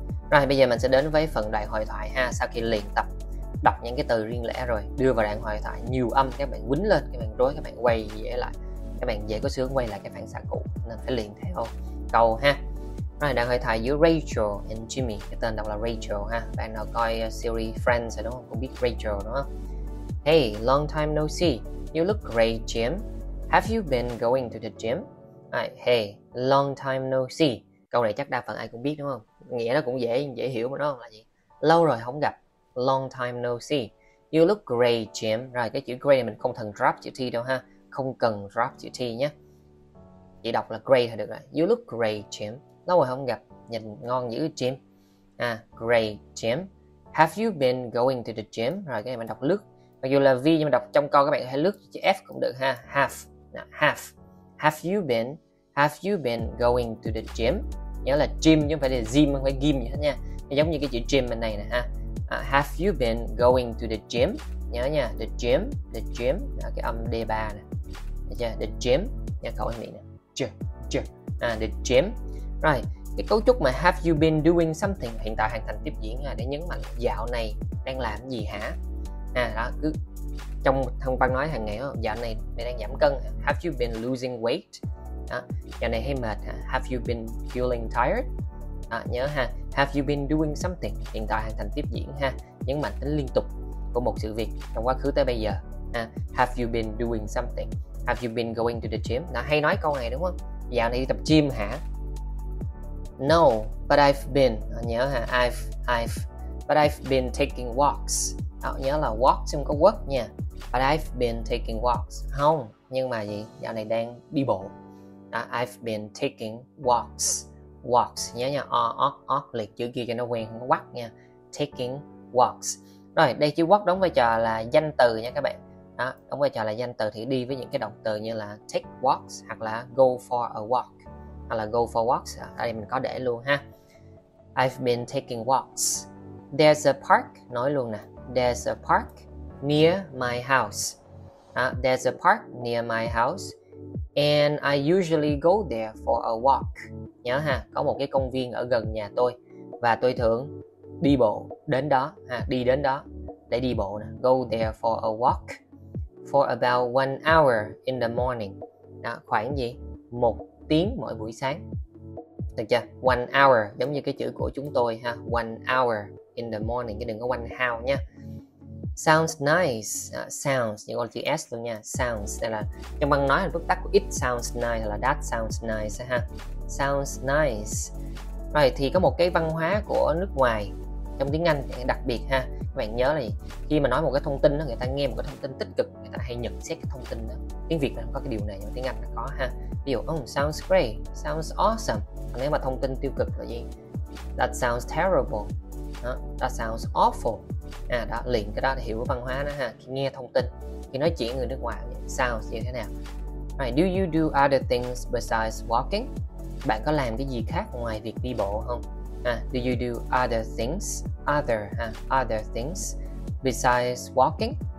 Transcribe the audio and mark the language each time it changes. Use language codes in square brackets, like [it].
[vi] Rồi bây giờ mình sẽ đến với phần đoạn hội thoại ha, sau khi luyện tập đọc những cái từ riêng lẻ rồi đưa vào đoạn hội thoại nhiều âm, các bạn quýnh lên, các bạn rối, các bạn quay dễ lại, các bạn dễ có sướng quay lại cái phản xạ cũ, nên phải luyện theo câu ha. Rồi đoạn hội thoại giữa Rachel and Jimmy, cái tên đọc là Rachel ha, bạn nào coi series Friends đúng không, cũng biết Rachel đúng không? [en] Hey, long time no see, you look great Jim. Have you been going to the gym? Right, hey, long time no see. [vi] Câu này chắc đa phần ai cũng biết đúng không? Nghĩa nó cũng dễ dễ hiểu mà nó là gì? Lâu rồi không gặp. [en] Long time no see. You look great, Jim. [vi] Rồi cái chữ great mình không cần drop chữ T đâu ha. Không cần drop chữ T nhé. Chỉ đọc là great thôi được rồi. [en] You look great, Jim. [vi] Lâu rồi không gặp. Nhìn ngon dữ, Jim. [en] À, great, Jim. Have you been going to the gym? [vi] Rồi cái này mình đọc lướt. Mặc dù là V nhưng mà đọc trong câu các bạn hãy lướt chữ F cũng được ha. [en] Have. Now, have. Have you been going to the gym? [vi] Nhớ là gym chứ không phải là gym, không phải gym gì hết nha. Giống như cái chữ gym bên này nè ha. [en] Have you been going to the gym? [vi] Nhớ nha, [en] the gym, the gym. [vi] Đó, cái âm D3 nè. Được chưa? The gym. Nhớ khẩu âm miệng nè. Ch, ch. The gym. Right. Cái cấu trúc mà [en] have you been doing something, [vi] hiện tại hoàn thành tiếp diễn để nhấn mạnh dạo này đang làm gì hả? À đó, cứ trong thông văn nói hàng ngày đó, dạo này mày đang giảm cân. [en] Have you been losing weight? [vi] Đó, dạo này hay mệt. [en] Have you been feeling tired? À, nhớ ha. Have you been doing something? [vi] Hiện tại hoàn thành tiếp diễn ha, nhấn mạnh tính liên tục của một sự việc trong quá khứ tới bây giờ. [en] À, have you been doing something? Have you been going to the gym? [vi] Nó hay nói câu này đúng không? Dạo này đi tập gym hả? [en] No, but I've been. [vi] Nhớ ha. I've. [en] But I've been taking walks. [vi] Đó, nhớ là walk xem có work nha. [en] But I've been taking walks. [vi] Không, nhưng mà gì? Dạo này đang đi bộ. [en] Đó, I've been taking walks. [vi] Walks, nhớ nha. O, o, o, liệt chữ kia cho nó quen, không có quắc nha. Taking walks. Rồi, đây chữ what đóng vai trò là danh từ nha các bạn. Đó, đóng vai trò là danh từ thì đi với những cái động từ như là take walks hoặc là go for a walk hoặc là go for walks. Ở đây mình có để luôn ha. [en] I've been taking walks. There's a park, [vi] nói luôn nè. [en] There's a park near my house. Đó, there's a park near my house and I usually go there for a walk. [vi] Nhớ ha, có một cái công viên ở gần nhà tôi và tôi thường đi bộ đến đó ha, đi đến đó để đi bộ nè. [en] Go there for a walk for about 1 hour in the morning. [vi] Đó, khoảng gì? 1 tiếng mỗi buổi sáng. Được chưa? 1 hour giống như cái chữ của chúng tôi ha. [en] 1 hour in the morning [vi] chứ đừng có 1 hour nha. Sounds nice. Sounds như con chữ S luôn nha. Sounds đây là trong băng nói là phức tắc của [en] it sounds nice [vi] hoặc là [en] that sounds nice [vi] ha. [en] Sounds nice. [vi] Rồi thì có một cái văn hóa của nước ngoài trong tiếng Anh đặc biệt ha. Các bạn nhớ là gì? Khi mà nói một cái thông tin đó, người ta nghe một cái thông tin tích cực, người ta hay nhận xét cái thông tin đó. Tiếng Việt là không có cái điều này nhưng mà tiếng Anh nó có ha. [en] Ví dụ, oh, sounds great, sounds awesome. [vi] Còn nếu mà thông tin tiêu cực là gì? [en] That sounds terrible. [vi] Đó. [en] That sounds awful. [vi] À đó, liền cái đó để hiểu văn hóa đó ha. Khi nghe thông tin, khi nói chuyện người nước ngoài sounds như thế nào. [en] Right. Do you do other things besides walking? [vi] Bạn có làm cái gì khác ngoài việc đi bộ không? [en] À, do you do other things? Other, ha, other things besides walking?